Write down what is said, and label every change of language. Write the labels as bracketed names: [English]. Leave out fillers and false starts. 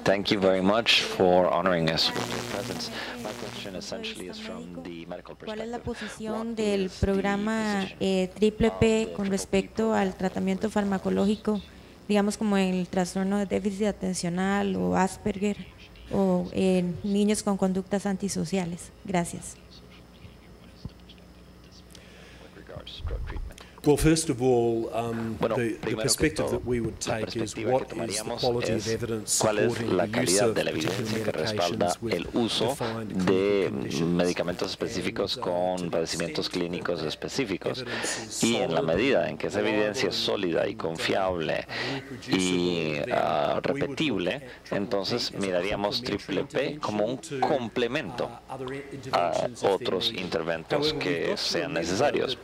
[English] Thank you very much for honoring us with your presence. My question essentially is from the medical perspective. [Spanish] ¿Cuál es la posición del programa PPP con respecto al tratamiento farmacológico, digamos como el trastorno de déficit atencional o Asperger o en niños con conductas antisociales? Gracias. [English] Well, first of all, the perspective that we would take is what is the quality of evidence supporting the use of medications with defined clinical conditions [Spanish] con padecimientos clínicos específicos, y en la medida en que esa evidencia es sólida y confiable y repetible, entonces miraríamos triple P como un complemento a otros interventos que sean necesarios.